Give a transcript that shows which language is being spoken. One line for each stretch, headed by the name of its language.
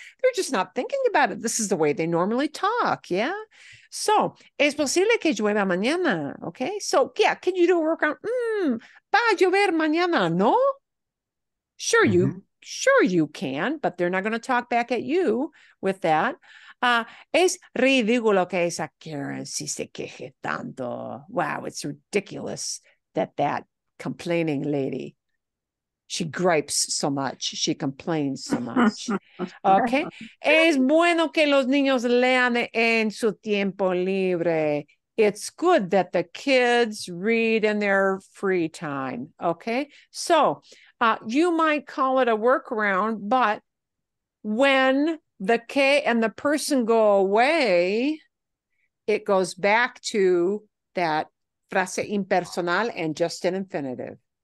English: They're just not thinking about it. This is the way they normally talk. Yeah. So,
Spanish: es posible que llueva mañana,
English: okay? So, yeah, can you do a workaround?
Spanish: Va a llover mañana, no?
English: Sure, you can, but they're not going to talk back at you with that.
Spanish: Es ridículo que esa Karen si se queje tanto.
English: Wow, it's ridiculous that complaining lady, she gripes so much, she complains so much. Okay.
Spanish: Es bueno que los niños lean en su tiempo libre.
English: It's good that the kids read in their free time. Okay. So you might call it a workaround, but when the K and the person go away, it goes back to that frase impersonal and just an infinitive.